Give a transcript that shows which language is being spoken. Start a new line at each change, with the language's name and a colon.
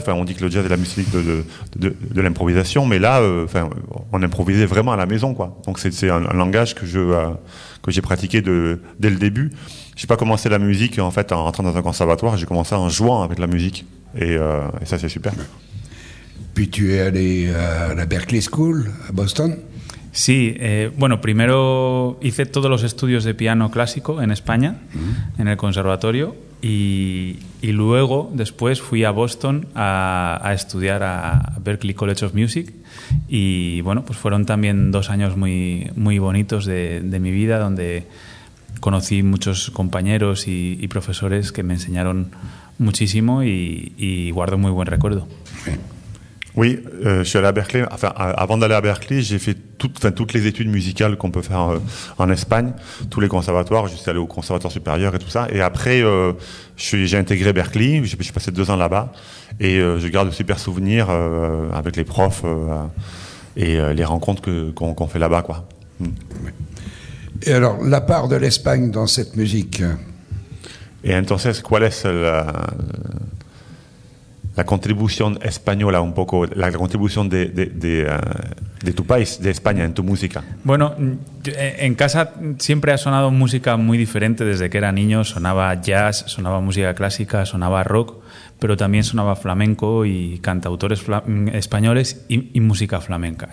French: Enfin, on dit que le jazz est la musique de l'improvisation, mais là, on improvisait vraiment à la maison, quoi. Donc c'est un langage que j'ai pratiqué dès le début. J'ai pas commencé la musique en fait en rentrant dans un conservatoire, j'ai commencé en jouant avec la musique, et ça c'est super. Puis tu es allé à la Berklee School à Boston?
Spanish: Sí, primero hice todos los estudios de piano clásico en España, en el conservatorio, y luego después fui a Boston a estudiar a Berklee College of Music, y bueno, pues fueron también dos años muy muy bonitos de mi vida, donde conocí muchos compañeros y profesores que me enseñaron muchísimo y guardo muy buen recuerdo.
French: Oui, je suis allé à Berkeley. Enfin, avant d'aller à Berkeley, j'ai fait toutes les études musicales qu'on peut faire en Espagne, tous les conservatoires. Je suis allé au conservatoire supérieur et tout ça. Et après, j'ai intégré Berkeley. Je suis passé 2 ans là-bas et je garde de super souvenirs avec les profs et les rencontres qu'on fait là-bas, quoi. Et alors, la part de l'Espagne dans cette musique.
Spanish: Et entonces, ¿cuál es la la contribución española un poco, la contribución de tu país, de España, en tu música? Bueno, en casa siempre ha sonado música muy diferente desde que era niño. Sonaba jazz, sonaba música clásica, sonaba rock, pero también sonaba flamenco y cantautores españoles y música flamenca.